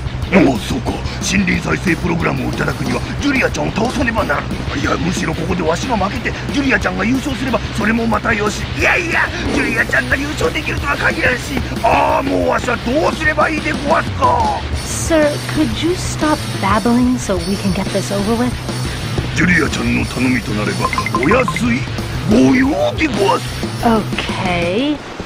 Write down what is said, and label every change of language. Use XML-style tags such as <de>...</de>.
<ja>もうそうか、心理再生プログラムをいただくには、ジュリアちゃんを倒さねばならない。いや、むしろここでわしが負けて、ジュリアちゃんが優勝すれば、それもまたよし。いやいや、ジュリアちゃんが優勝できるとは限らんし。ああ、もうわしはどうすればいいでごわすか。</ja> <en>Sir, could you stop babbling so we can get this over with?</en> <ja>ジュリアちゃんの頼みとなれば、お安いご用でごわす。Okay.</ja>